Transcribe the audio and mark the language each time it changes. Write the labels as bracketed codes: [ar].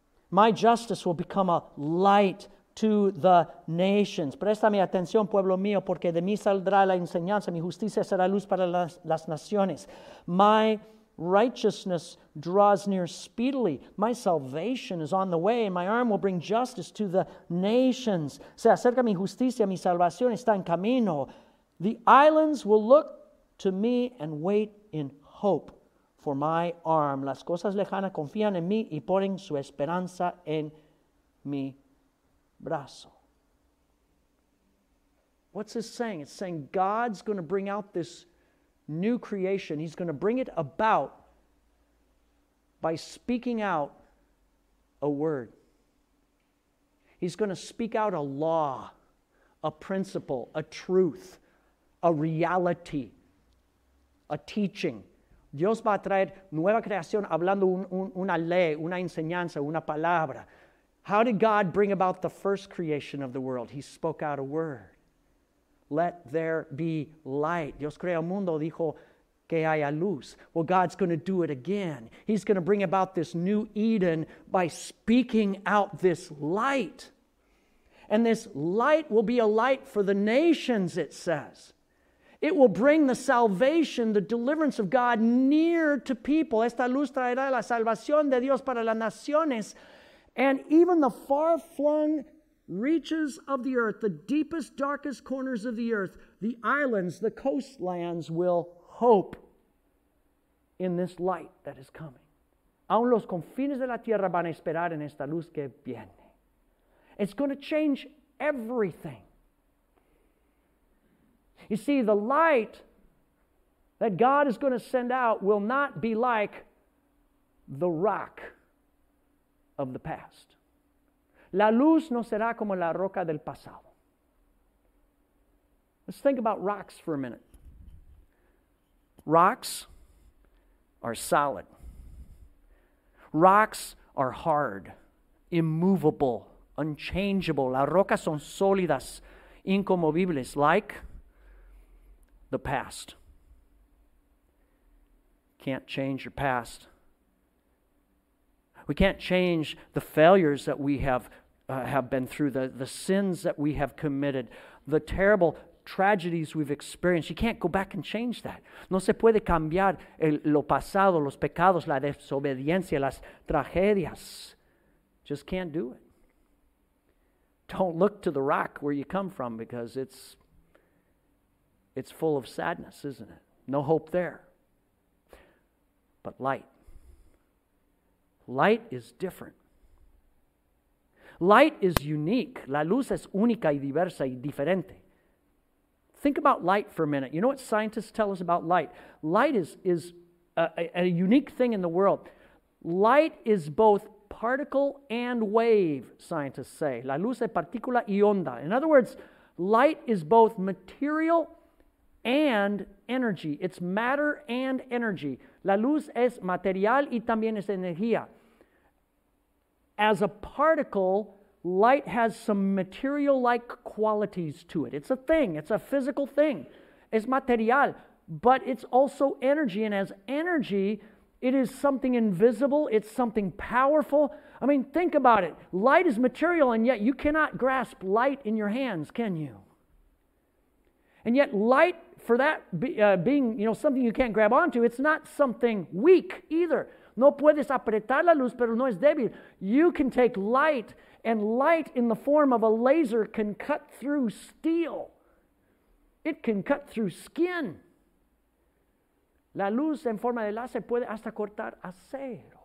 [en] My justice will become a light to the nations. [es] Préstame atención, pueblo mío, porque de mí saldrá la enseñanza. Mi justicia será luz para las naciones. [en] My righteousness draws near speedily. My salvation is on the way. My arm will bring justice to the nations. [es] Se acerca mi justicia, mi salvación está en camino. [en] The islands will look to me and wait in hope for my arm. [es] Las cosas lejanas confían en mí y ponen su esperanza en mi brazo. [en] What's this saying? It's saying God's going to bring out this new creation. He's going to bring it about by speaking out a word. He's going to speak out a law, a principle, a truth, a reality, a teaching. [es] Dios va a traer nueva creación hablando una ley, una enseñanza, una palabra. [en] How did God bring about the first creation of the world? He spoke out a word. Let there be light. [es] Dios creó el mundo, dijo que haya luz. [en] Well, God's going to do it again. He's going to bring about this new Eden by speaking out this light. And this light will be a light for the nations, it says. It will bring the salvation, the deliverance of God near to people. [es] Esta luz traerá la salvación de Dios para las naciones. [en] And even the far-flung reaches of the earth, the deepest, darkest corners of the earth, the islands, the coastlands will hope in this light that is coming. [es] Aun los confines de la tierra van a esperar en esta luz que viene. [en] It's going to change everything. You see, the light that God is going to send out will not be like the rock of the past. [es] La luz no será como la roca del pasado. [en] Let's think about rocks for a minute. Rocks are solid. Rocks are hard, immovable, unchangeable. [es] Las rocas son sólidas, incomovibles, like [en] the past. Can't change your past. We can't change the failures that we have been through, the sins that we have committed, the terrible tragedies we've experienced. You can't go back and change that. [es] No se puede cambiar lo pasado, los pecados, la desobediencia, las tragedias. [en] Just can't do it. Don't look to the rock where you come from, because it's full of sadness, isn't it? No hope there. But light. Light is different. Light is unique. [es] La luz es única y diversa y diferente. [en] Think about light for a minute. You know what scientists tell us about light? Light is a unique thing in the world. Light is both particle and wave, scientists say. [es] La luz es partícula y onda. [en] In other words, light is both material and energy. It's matter and energy. [es] La luz es material y también es energía. [en] As a particle, light has some material-like qualities to it. It's a thing. It's a physical thing. [es] Es material, [en] but it's also energy. And as energy, it is something invisible. It's something powerful. I mean, think about it. Light is material, and yet you cannot grasp light in your hands, can you? And yet light, for that being, you know, something you can't grab onto, it's not something weak either. [es] No puedes apretar la luz, pero no es débil. [en] You can take light, and light in the form of a laser can cut through steel. It can cut through skin. [es] La luz en forma de láser puede hasta cortar acero.